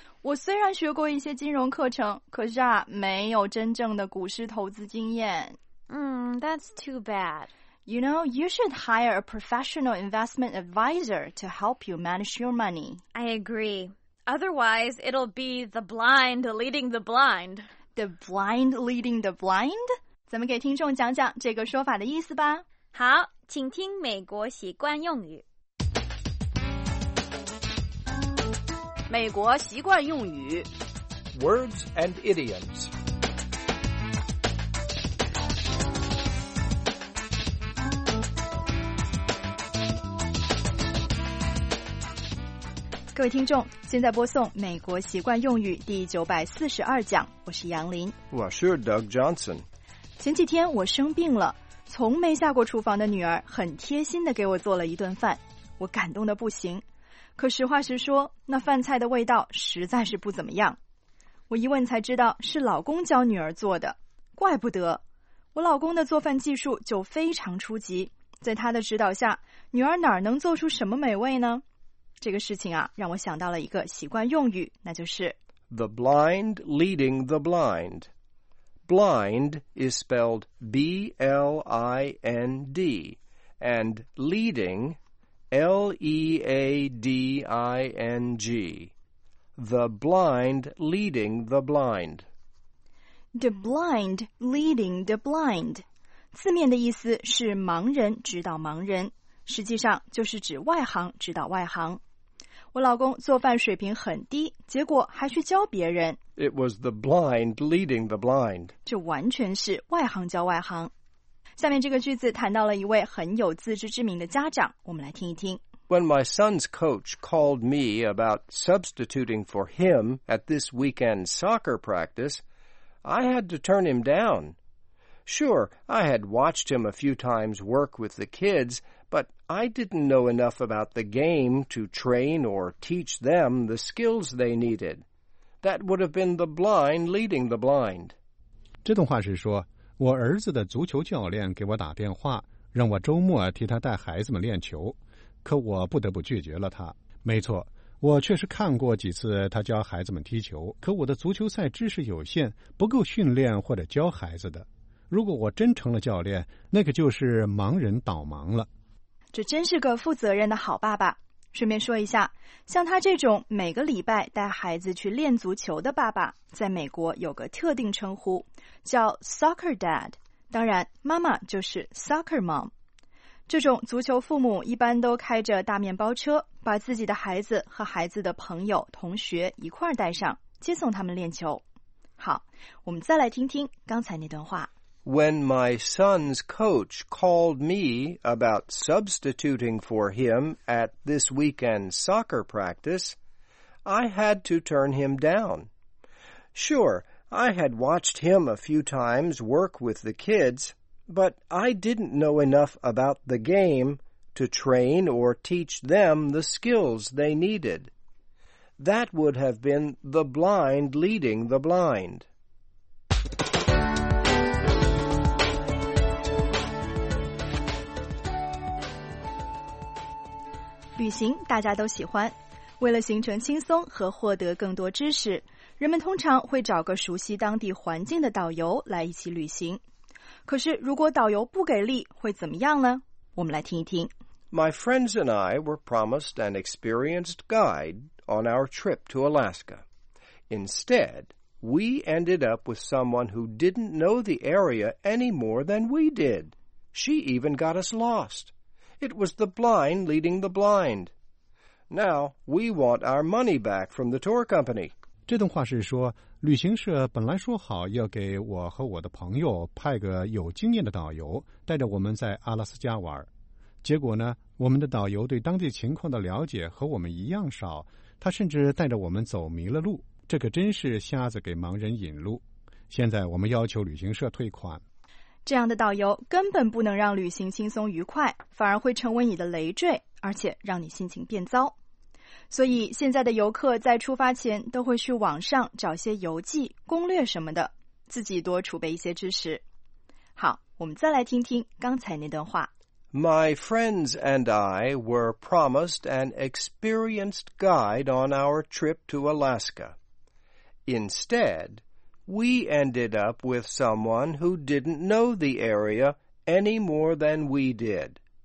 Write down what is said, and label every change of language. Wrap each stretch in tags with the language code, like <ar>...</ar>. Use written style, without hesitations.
<zh>我虽然学过一些金融课程，可是啊，没有真正的股市投资经验。</zh> <en>That's too bad. You know, you should hire a professional investment advisor to help you manage your money. I agree. Otherwise, it'll be the blind leading the blind. The blind leading the blind?</en> <zh>咱们给听众讲讲这个说法的意思吧。好，请听美国习惯用语。美国习惯用语</zh> <en>Words and idioms.</en> <zh>各位听众，现在播送美国习惯用语第942讲，我是杨林。我是 Doug Johnson。前几天我生病了，从没下过厨房的女儿很贴心地给我做了一顿饭，我感动得不行。可实话实说，那饭菜的味道实在是不怎么样。我一问才知道是老公教女儿做的，怪不得。我老公的做饭技术就非常初级，在他的指导下，女儿哪能做出什么美味呢？这个事情啊，让我想到了一个习惯用语，那就是</zh> <en>The blind leading the blind. Blind is spelled B-L-I-N-D, and leading... L-E-A-D-I-N-G. The blind leading the blind. The blind leading the blind.</en> <zh>字面的意思是盲人指导盲人，实际上就是指外行指导外行。我老公做饭水平很低，结果还去教别人。</zh> <en>It was the blind leading the blind.</en> <zh>这完全是外行教外行。下面这个句子谈到了一位很有自知之明的家长，我们来听一听。</zh> <en>When my son's coach called me about substituting for him at this weekend soccer practice, I had to turn him down. Sure, I had watched him a few times work with the kids, but I didn't know enough about the game to train or teach them the skills they needed. That would have been the blind leading the blind.</en> <zh>这段话是说我儿子的足球教练给我打电话，让我周末替他带孩子们练球，可我不得不拒绝了他。没错，我确实看过几次他教孩子们踢球，可我的足球赛知识有限，不够训练或者教孩子的。如果我真成了教练，那可就是盲人导盲了。这真是个负责任的好爸爸。顺便说一下，像他这种每个礼拜带孩子去练足球的爸爸，在美国有个特定称呼，叫 soccer dad。当然，妈妈就是 soccer mom。这种足球父母一般都开着大面包车，把自己的孩子和孩子的朋友、同学一块儿带上，接送他们练球。好，我们再来听听刚才那段话。</zh> <en>When my son's coach called me about substituting for him at this weekend soccer practice, I had to turn him down. Sure, I had watched him a few times work with the kids, but I didn't know enough about the game to train or teach them the skills they needed. That would have been the blind leading the blind.</en> <zh>旅行大家都喜欢，为了行程轻松和获得更多知识，人们通常会找个熟悉当地环境的导游来一起旅行。可是如果导游不给力会怎么样呢？我们来听一听。</zh> <en>My friends and I were promised an experienced guide on our trip to Alaska. Instead, we ended up with someone who didn't know the area any more than we did. She even got us lost. It was the blind leading the blind. Now, we want our money back from the tour company.</en> <zh>这段话是说，旅行社本来说好要给我和我的朋友派个有经验的导游，带着我们在阿拉斯加玩。结果呢，我们的导游对当地情况的了解和我们一样少，他甚至带着我们走迷了路。这可真是瞎子给盲人引路。现在我们要求旅行社退款。这样的导游根本不能让旅行轻松愉快，反而会成为你的累赘，而且让你心情变糟。所以现在的游客在出发前都会去网上找些游记、攻略什么的，自己多储备一些知识。好，我们再来听听刚才那段话。</zh> <en>My friends and I were promised an experienced guide on our trip to Alaska. Instead,We ended up with someone who didn't know the area any more than we did.</en>